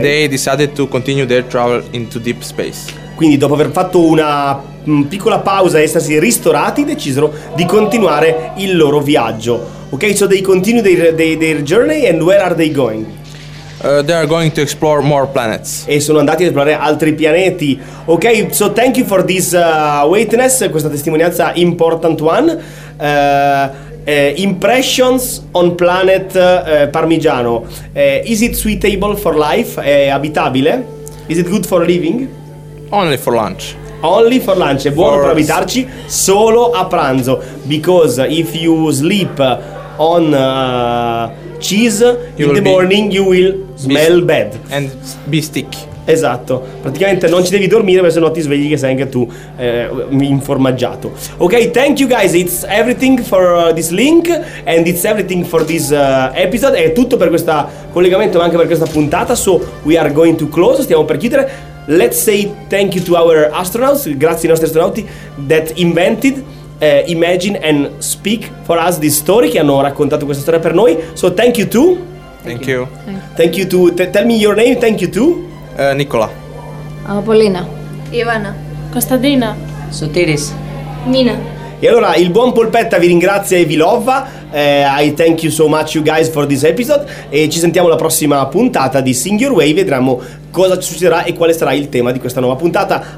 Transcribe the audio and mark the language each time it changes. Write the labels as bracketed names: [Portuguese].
[English] They decided to continue their travel into deep space. [Italian] Quindi dopo aver fatto una piccola pausa e essersi ristorati, decisero di continuare il loro viaggio. [English] Ok, so they continue their journey and where are they going? They are going to explore more planets. [Italian] E sono andati a esplorare altri pianeti. [English] Ok, so thank you for this witness, [Italian] questa testimonianza [English] important one. Impressions on planet Parmigiano. Is it suitable for life? [Italian] È abitabile? [English] Is it good for living? Only for lunch. Only for lunch. [Italian] È buono per abitarci solo a pranzo. [English] Because if you sleep on cheese you in the morning you will smell bad and be sticky. [Italian] Esatto, praticamente non ci devi dormire perché se no ti svegli che sei anche tu informaggiato. [English] Ok, thank you guys, it's everything for this link and it's everything for this episode. [Italian] È tutto per questo collegamento ma anche per questa puntata. [English] So we are going to close, [Italian] stiamo per chiudere. [English] Let's say thank you to our astronauts, [Italian] grazie ai nostri astronauti [English] that invented imagine and speak for us this story, [Italian] che hanno raccontato questa storia per noi. [English] So thank you to tell me your name. Thank you to Nicola, Paulina, Ivana, Costadina, Sotiris, Nina. [Italian] E allora il buon Polpetta vi ringrazia e vi lova. [English] I thank you so much you guys for this episode. [Italian] E ci sentiamo la prossima puntata di Sing Your Way. Vedremo cosa ci succederà e quale sarà il tema di questa nuova puntata.